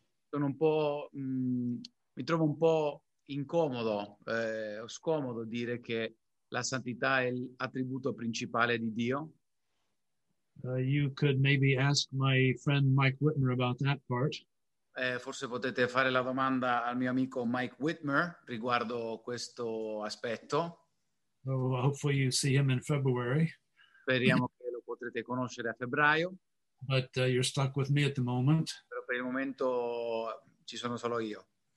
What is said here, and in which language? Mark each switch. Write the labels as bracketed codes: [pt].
[it] Sono un po', mi trovo un po' incomodo, scomodo dire che la santità è l'attributo principale di Dio. [en] You could maybe ask my friend Mike Whitmer about that part. [it] Forse potete fare la domanda al mio amico Mike Whitmer riguardo questo aspetto. [en] So hopefully you see him in February. [it] Speriamo che lo potrete conoscere a febbraio. [en] But you're stuck with me at the moment. [it] Però per il momento ci sono solo io.